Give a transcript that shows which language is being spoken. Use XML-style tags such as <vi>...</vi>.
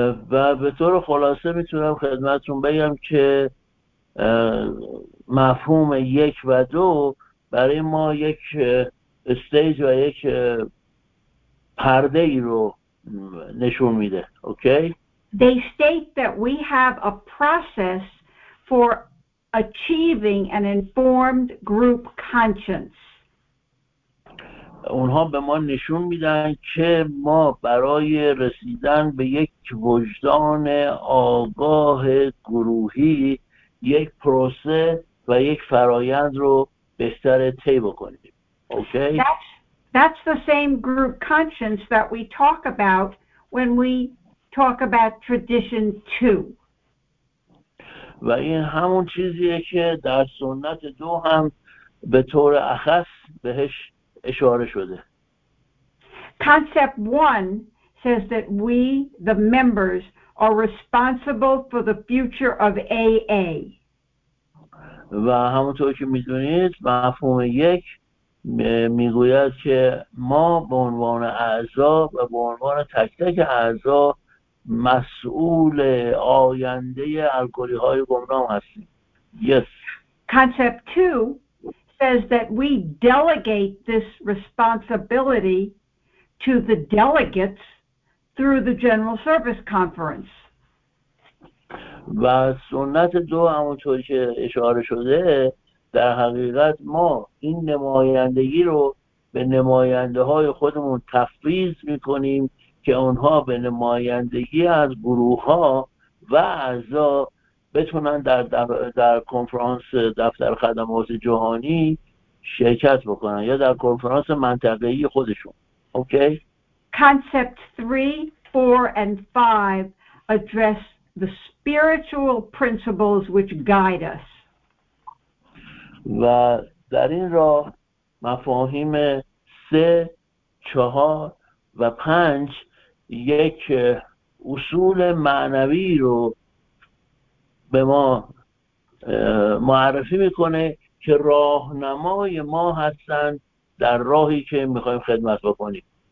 <fa>به طور خلاصه میتونم خدمتتون بگم که مفهوم 1 و 2 برای ما یک استیج و یک پرده ای رو نشون میده.</fa> <en>Okay? They state that we have a process for achieving an informed group conscience.</en> <fa>اونها به ما نشون میدن که ما برای رسیدن به یک وجدان آگاه گروهی یک پروسه و یک فرایند رو بهتر طی بکنیم.</fa> <en>Okay. That's the same group conscience that we talk about when we talk about tradition two.</en> <fa>و این همون چیزیه که در سنت دو هم به طور اخص بهش اشاره شده.</fa> <en>Concept one says that we, the members, are responsible for the future of AA.</en> <fa>و همونطور که میدونید مفهوم یک میگوید که ما به عنوان اعضا و به عنوان تک تک اعضا مسئول آینده الگوری های گمنام هستیم.</fa> <en>Yes. Concept two says that we delegate this responsibility to the delegates through the General Service Conference.</en> <fa>و سنت دو همونطوری که اشاره شده در حقیقت ما این نمایندگی رو به نماینده های خودمون تفویض می کنیم که اونها به نمایندگی از گروه ها و اعضا بتونن در کنفرانس دفتر خدمات جهانی شرکت بکنن یا در کنفرانس منطقه‌ای خودشون. اوکی؟</fa> <en>Concept 3, 4, and 5 address the spiritual principles which guide us.</en> <fa>و در این راه مفاهیم 3, 4 و 5 یک اصول معنوی رو به ما معرفی میکنه که راهنمای ما هستند در راهی که میخوایم خدمت بکنیم.</fa>